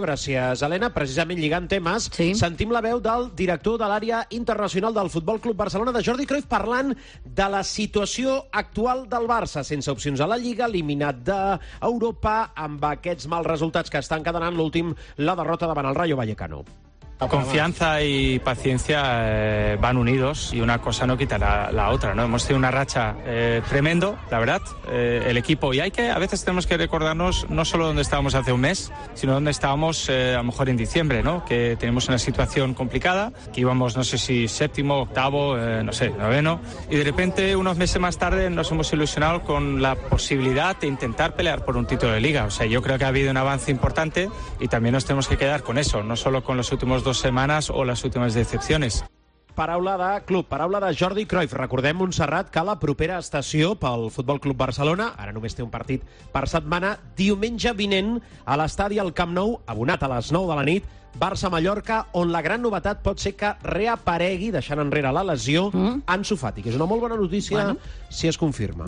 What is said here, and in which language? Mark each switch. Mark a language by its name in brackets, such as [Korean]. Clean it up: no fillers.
[Catalan] Gràcies, Helena. Precisament lligant temes, sí, sentim la veu del director de l'àrea internacional del Futbol Club Barcelona, de Jordi Cruyff, parlant de la situació actual del Barça, sense opcions a la Lliga, eliminat d'Europa, amb aquests mals resultats que estan quedant l'últim, la derrota davant el Rayo Vallecano. [Spanish] Confianza y paciencia van unidos y una cosa no quita la otra, ¿no? Hemos tenido una racha tremendo, la verdad, el equipo, y a veces tenemos que recordarnos no solo dónde estábamos hace un mes, sino dónde estábamos a lo mejor en diciembre, ¿no? Que tenemos una situación complicada, que íbamos, no sé si séptimo, octavo, no sé, noveno, y de repente unos meses más tarde nos hemos ilusionado con la posibilidad de intentar pelear por un título de liga. O sea, yo creo que ha habido un avance importante y también nos tenemos que quedar con eso, no solo con los últimos [Catalan] 2 setmanes o les últimes decepcions. Paraula de club, paraula de Jordi Cruyff. Recordem, Montserrat, que la propera estació pel Futbol Club Barcelona, ara només té un partit per setmana, diumenge vinent a l'estadi al Camp Nou, abonat a les 9 de la nit, Barça-Mallorca, on la gran novetat pot ser que reaparegui, deixant enrere la lesió, Ansu Fati, que és una molt bona notícia, si es confirma.